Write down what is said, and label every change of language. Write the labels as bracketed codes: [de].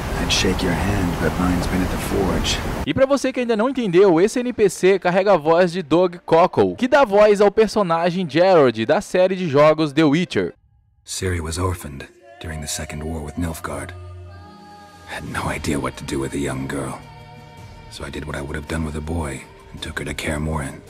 [en] Shake your hand, but mine's been at the forge. [pt] E pra você que ainda não entendeu, esse NPC carrega a voz de Doug Cockle, que dá voz ao personagem Geralt da série de jogos The Witcher. [en] Ciri was orphaned during the second war with Nilfgaard. Had no idea what to do with a young girl. So I did what I would have done with a boy and took her to Kaer Morhen.